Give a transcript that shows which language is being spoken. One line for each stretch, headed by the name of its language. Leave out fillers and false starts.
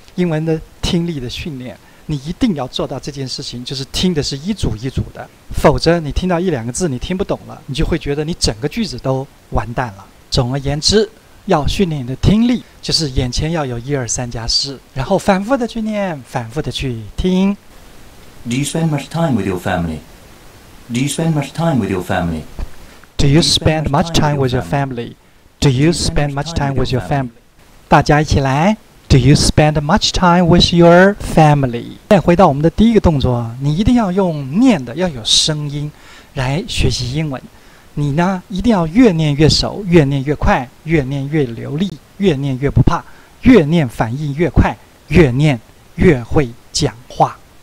Chinese: 英文的听力的训练，你一定要做到这件事情，就是听的是一组一组的，否则你听到一两个字你听不懂了，你就会觉得你整个句子都完蛋了。总而言之，要训练你的听力，就是眼前要有一二三加四，然后反复的去念，反复的去听。
English: Do you spend much time with your family? Do you spend much time with your family? Do you spend much time with your family? Do you spend much time with your family?
Chinese: 大家一起来。
English: Do you spend much time with your family?
Chinese: 再回到我们的第一个动作，你一定要用念的，要有声音来学习英文。你呢，一定要越念越熟，越念越快，越念越流利，越念越不怕，越念反应越快，越念越会讲话。